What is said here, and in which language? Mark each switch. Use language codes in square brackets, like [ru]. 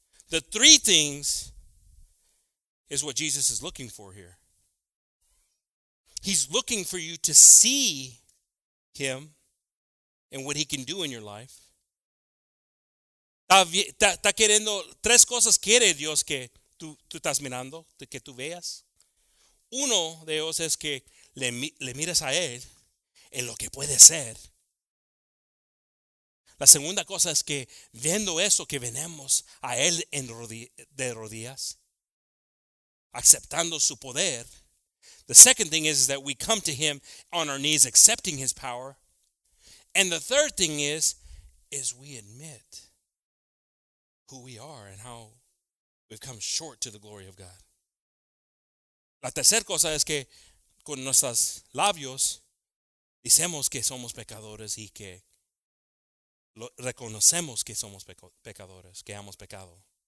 [en] The three things is what Jesus is looking for here. He's looking for you to see him and what he can do in your life. [es] Está queriendo tres cosas quiere Dios que tú estás mirando, que tú veas. Uno de ellos es que le miras a él en lo que puede ser. La segunda cosa es que viendo eso, que venemos a él en de rodillas, aceptando su poder. [en] The second thing is that we come to him on our knees, accepting his power. And the third thing is we admit who we are and how we've come short to the glory of God. [es] La tercera cosa es que con nuestros labios decimos que somos pecadores y que reconocemos que somos pecadores, que hemos pecado.